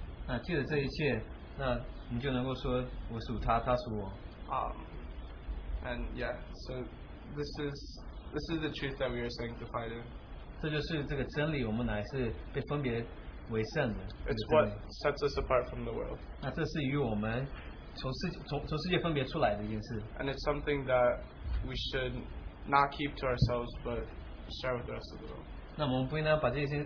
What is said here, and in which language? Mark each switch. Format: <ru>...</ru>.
<zh>那记得这一切，那你就能够说我属他，他属我。</zh> <en>And yeah, so this is the truth that we are sanctified in.</en> <zh>这就是这个真理，我们乃是被分别为圣的。</zh> <en>It's what sets us apart from the world.</en> <zh>那这是与我们从世界分别出来的一件事。</zh> <en>And it's something that we should not keep to ourselves, but share with the rest of the world.</en>